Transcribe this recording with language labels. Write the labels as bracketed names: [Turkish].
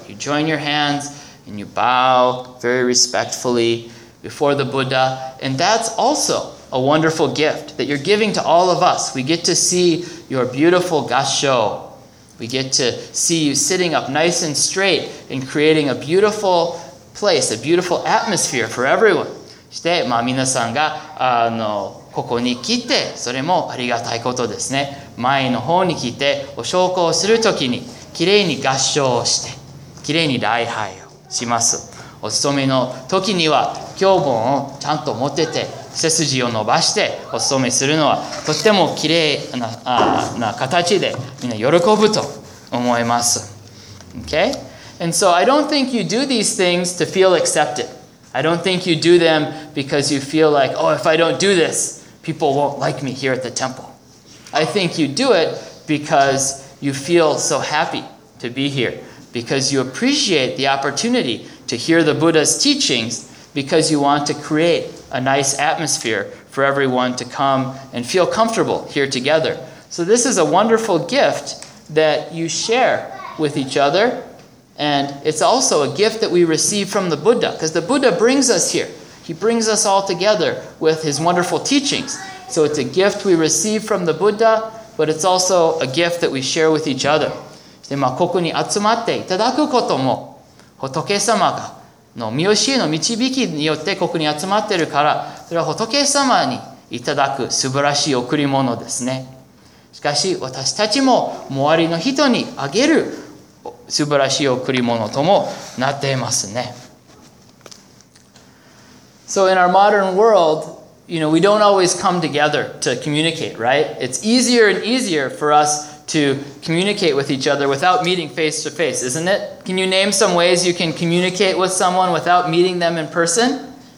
[English] You join your hands. And you bow very respectfully before the Buddha. And that's also a wonderful gift that you're giving to all of us. We get to see your beautiful gassho. We get to see you sitting up nice and straight and creating a beautiful place, a beautiful atmosphere for everyone. [Japanese] そして、まあ、皆さんがあのここに来て、それもありがたいことですね。前の方に来て、お焼香をするときに、きれいに合唱をして、きれいに礼拝を。します。お勤めの時には経本をちゃんと持ってて背筋を伸ばしてお勤めするのはとっても綺麗 な形でみんな喜ぶと思います。 [English] Okay? And so I don't think you do these things to feel accepted. I don't think you do them because you feel like, oh, if I don't do this, people won't like me here at the temple. I think you do it because you feel so happy to be here. Because you appreciate the opportunity to hear the Buddha's teachings because you want to create a nice atmosphere for everyone to come and feel comfortable here together. So this is a wonderful gift that you share with each other. And it's also a gift that we receive from the Buddha. Because the Buddha brings us here. He brings us all together with his wonderful teachings. So it's a gift we receive from the Buddha, but it's also a gift that we share with each other. [Japanese] でまあ、ここに集まっていただくことも仏様の御教えの導きによってここに集まっているからそれは仏様にいただく素晴らしい贈り物ですね。しかし私たちも周りの人にあげる素晴らしい贈り物ともなっていますね。 [English] So in our modern world, you know, we don't always come together to communicate, right? It's easier and easier for usTo communicate with each other without meeting face to face, isn't it? Can you name some ways you can communicate with someone without meeting them in person?